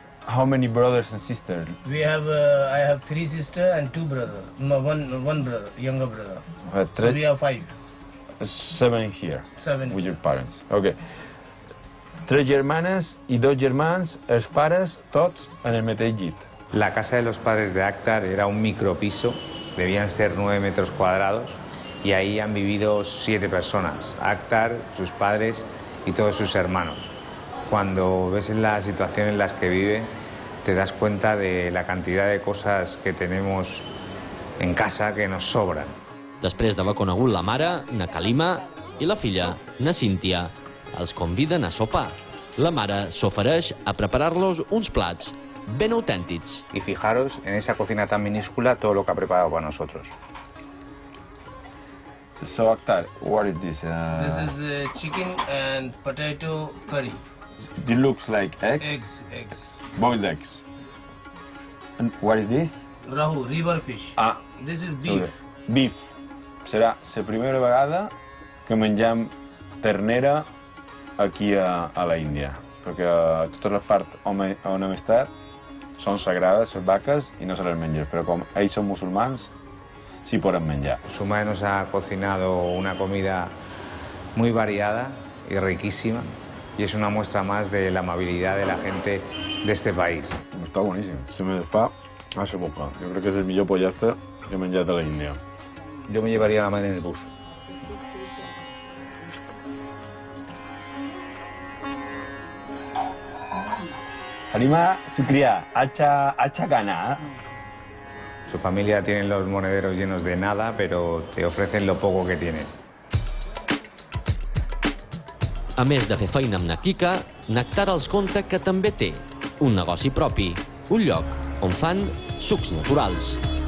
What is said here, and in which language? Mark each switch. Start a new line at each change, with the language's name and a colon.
English: How many brothers and sisters? I have three sisters and two brothers. One brother, younger brother. So we have five. Seven here. Seven. With your parents. Okay.
Catalan: Tres germanes i dos germans, els pares, tots en el mateix llit.
Spanish: La casa de los padres de Akhtar era un micropiso, debían ser 9 metros cuadrados, y ahí han vivido 7 personas, Akhtar, sus padres y todos sus hermanos. Cuando ves la situación en la que vive, te das cuenta de la cantidad de cosas que tenemos en casa que nos sobran.
Catalan: Després d'haver conegut la mare, na Kalima, i la filla, na Cíntia, els conviden a sopar. La mare s'ofereix a preparar-los uns plats ben autèntics.
Spanish: Y fijaros en esa cocina tan minúscula todo lo que ha preparado para nosotros.
English: So, Akhtar, what is this? This is chicken and potato curry. It looks like eggs? Eggs. Boiled eggs. And what is this? Rahu, river fish. Ah. This is beef. Okay. Beef.
Catalan: Serà la primera vegada que mengem ternera aquí a la Índia, perquè totes les parts on hem estat són sagrades, les vaques, i no se les mengen. Però com ells són musulmans, sí poden menjar.
Spanish: Su madre nos ha cocinado una comida muy variada y riquísima, y es una muestra más de la amabilidad de la gente de este país. Está buenísimo.
Catalan: Se me desfà a la boca.
Spanish: Yo creo que es el
Catalan: millor pollastre que he menjat
Spanish: a la Índia. Yo me llevaría la madre en el bus. Halima, su cría, hacha gana. Su familia tiene los monederos llenos de nada, pero te ofrecen lo poco que tienen.
Catalan: A més de fer feina amb na Kika, Nectar els conta que també té un negoci propi, un lloc on fan sucs naturals.